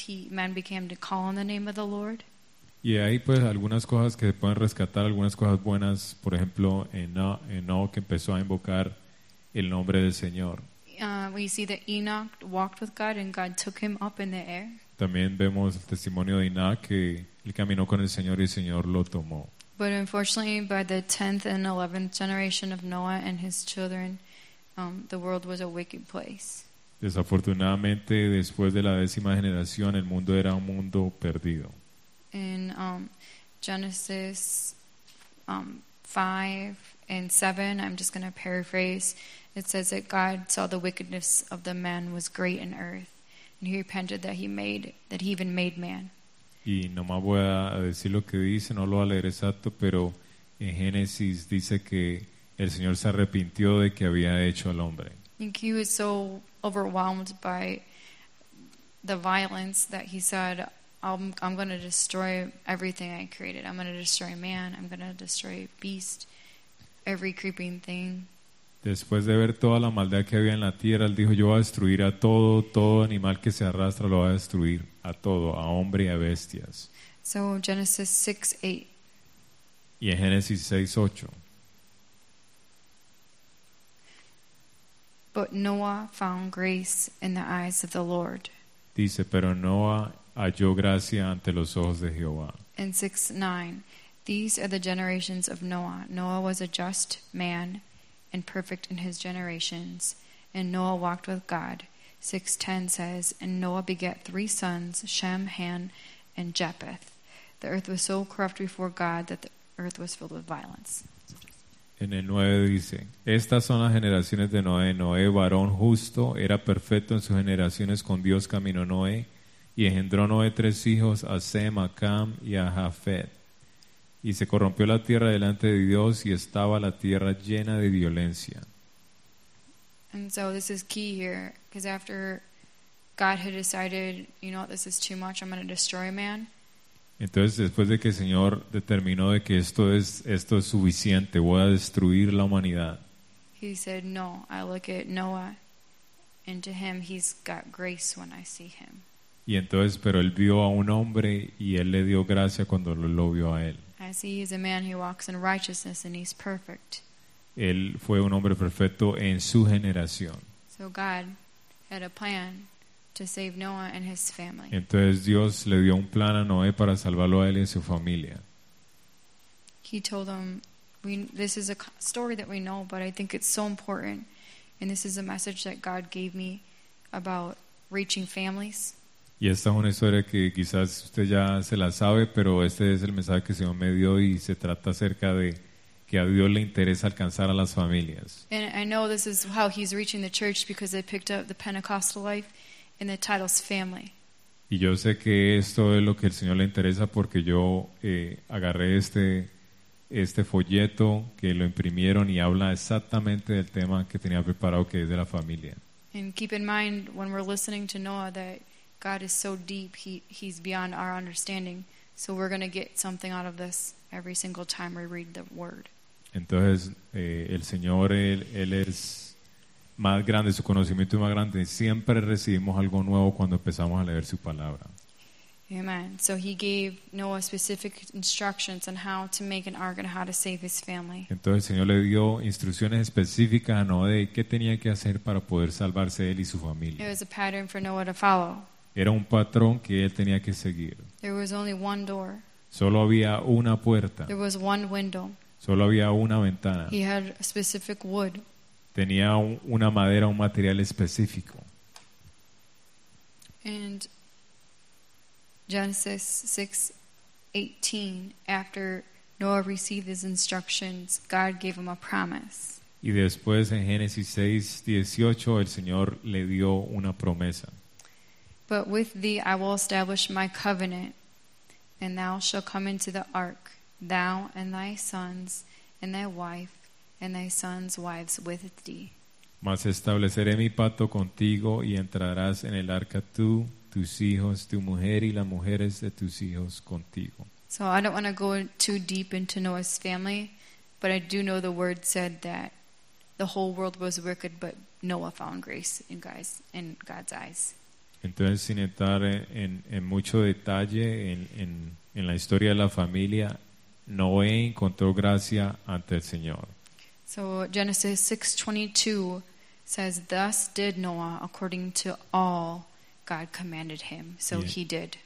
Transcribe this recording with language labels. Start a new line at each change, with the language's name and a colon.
English: Men began to call on the name of the Lord.
Spanish: Y ahí pues algunas cosas que se pueden rescatar, algunas cosas buenas, por ejemplo, Enoch que empezó a invocar el nombre del Señor.
English: We see that Enoch walked with God and God took him up in the air.
Spanish: También vemos el testimonio de Enoch que él caminó con el Señor y el Señor lo tomó.
English: But unfortunately, by the 10th and 11th generation of Noah and his children, the world was a wicked place.
Spanish: Desafortunadamente, después de la décima generación, el mundo era un mundo perdido.
English: In Genesis 5 and 7, I'm just going to paraphrase, it says that God saw the wickedness of the man was great in earth, and he repented that he even made man.
Spanish: Y nomás voy a decir lo que dice, no lo voy a leer exacto, pero en Génesis dice que el Señor se arrepintió de que había hecho al hombre.
English: And he was so overwhelmed by the violence that he said, I'm going to destroy everything I created. I'm going to destroy man. I'm going to destroy beast. Every creeping thing.
Spanish: Después de ver toda la maldad que había en la tierra, él dijo, yo voy a destruir a todo, todo animal que se arrastra lo voy a destruir, a todo, a hombre y a bestias.
English: So Genesis 6:8.
Spanish: Y en Génesis 6:8.
English: But Noah found grace in the eyes of the Lord.
Spanish: Dice, pero Noah halló gracia ante los ojos de Jehová.
English: In 6:9, these are the generations of Noah. Noah was a just man and perfect in his generations, and Noah walked with God. 6:10 says, and Noah begat three sons, Shem, Ham, and Japheth. The earth was so corrupt before God that the earth was filled with violence.
Spanish: En el 9 dice, estas son las generaciones de Noé. Noé, varón justo, era perfecto en sus generaciones con Dios, caminó Noé. Y engendró Noé tres hijos, a Sem, a Cam y a Jafet. Y se corrompió la tierra delante de Dios y estaba la tierra llena de violencia.
English: And so this is key here, because after God had decided, you know, this is too much, I'm going to destroy man.
Spanish: Entonces después de que el Señor determinó de que esto es suficiente, voy a destruir la humanidad.
English: He said, no, I look at Noah, and to him he's got grace when I see him.
Spanish: Y entonces, pero él vio a un hombre y él le dio gracia cuando lo vio a él.
English: As he is a man who walks in righteousness and he's perfect.
Spanish: Él fue un hombre perfecto en su generación.
English: So God had a plan to save Noah and his family.
Spanish: Entonces Dios le dio un plan a Noé para salvarlo a él y a su familia.
English: He told them, this is a story that we know, but I think it's so important. And this is a message that God gave me about reaching families.
Spanish: Y esta es una historia que quizás usted ya se la sabe, pero este es el mensaje que el Señor me dio y se trata acerca de que a Dios le interesa alcanzar a las familias.
English: And I know this is how he's reaching the church because they picked up the Pentecostal life and the title's family.
Spanish: Y yo sé que esto es lo que el Señor le interesa porque yo agarré este folleto que lo imprimieron y habla exactamente del tema que tenía preparado, que es de la familia.
English: And keep in mind when we're listening to Noah that God is so deep, he's beyond our understanding. So we're going to get something out of this every single time we read the word.
Spanish: Entonces, el Señor, él es más grande, su conocimiento es más grande. Siempre recibimos algo nuevo cuando empezamos a leer su palabra.
English: Amen. So he gave Noah specific instructions on how to make an ark and how to save his family.
Spanish: Entonces el Señor le dio instrucciones específicas a Noé de qué tenía que hacer para poder salvarse él y su familia.
English: It was a pattern for Noah to follow.
Spanish: Era un patrón que él tenía que seguir.
English: There was only one door.
Spanish: Solo había una puerta.
English: There was one window.
Spanish: Solo había una ventana.
English: He had a specific wood.
Spanish: Tenía una madera, un material específico.
English: And Genesis 6:18, after Noah received his instructions, God gave him a promise.
Spanish: Y después en Génesis 6:18, el Señor le dio una promesa.
English: But with thee I will establish my covenant, and thou shalt come into the ark, thou and thy sons, and thy wife, and thy sons' wives with thee.
Spanish: Mas estableceré mi pacto contigo, y entrarás en el arca tú, tus hijos, tu mujer, y las mujeres de tus hijos contigo.
English: So I don't want to go too deep into Noah's family, but I do know the word said that the whole world was wicked, but Noah found grace in God's eyes.
Spanish: Entonces, sin entrar en mucho detalle en la historia de la familia, Noé encontró gracia ante el Señor.
English: So Genesis 6:22 says, "Thus did Noah according to all God commanded him." So he did.